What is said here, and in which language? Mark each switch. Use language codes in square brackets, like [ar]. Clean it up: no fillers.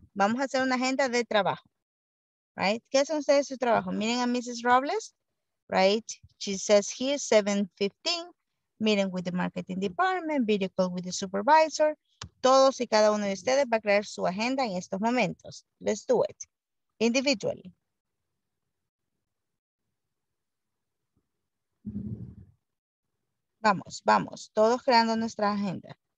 [es] Vamos a hacer una agenda de trabajo, right? ¿Qué hacen ustedes de su trabajo? Miren a Mrs. Robles, right? [en] She says here 7:15, meeting with the marketing department, video call with the supervisor. [es] Todos y cada uno de ustedes va a crear su agenda en estos momentos. [en] Let's do it individually. [es] Vamos, vamos, todos creando nuestra agenda.